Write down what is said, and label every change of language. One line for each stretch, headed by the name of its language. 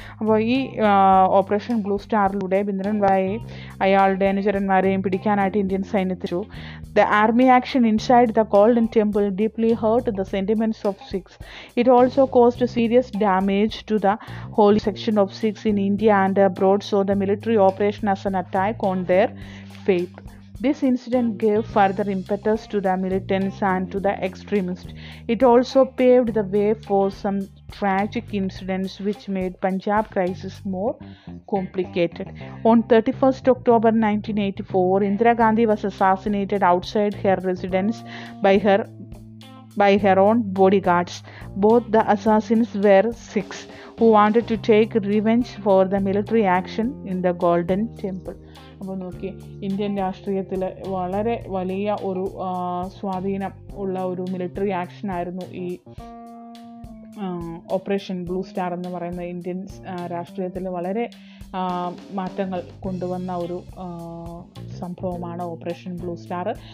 Malayalam: അപ്പോൾ ഈ operation blue സ്റ്റാറിലൂടെ Bhindran വാലായെയും അയാളുടെ അനുചരന്മാരെയും പിടിക്കാനായിട്ട് Indian സൈന്യത്തിച്ചു.
English: The army action inside the Golden Temple deeply hurt the sentiments of Sikhs. It also caused serious damage to the holy section of Sikhs in India and abroad. So the military operation as an attack on their faith. This incident gave further impetus to the militants and to the extremists. It also paved the way for some tragic incidents which made Punjab crisis more complicated. On 31st October 1984, Indira Gandhi was assassinated outside her residence by her own bodyguards. Both the assassins were Sikhs who wanted to take revenge for the military action in the Golden Temple.
Malayalam: അപ്പോൾ നോക്കി, Indian രാഷ്ട്രീയത്തിൽ വളരെ വലിയ ഒരു സ്വാധീനം ഉള്ള ഒരു military action ആയിരുന്നു ഈ ഓപ്പറേഷൻ ബ്ലൂ സ്റ്റാർ എന്ന് പറയുന്ന. ഇന്ത്യൻ രാഷ്ട്രീയത്തിൽ വളരെ മാറ്റങ്ങൾ കൊണ്ടുവന്ന ഒരു സംഭവമാണ് ഓപ്പറേഷൻ ബ്ലൂ സ്റ്റാർ.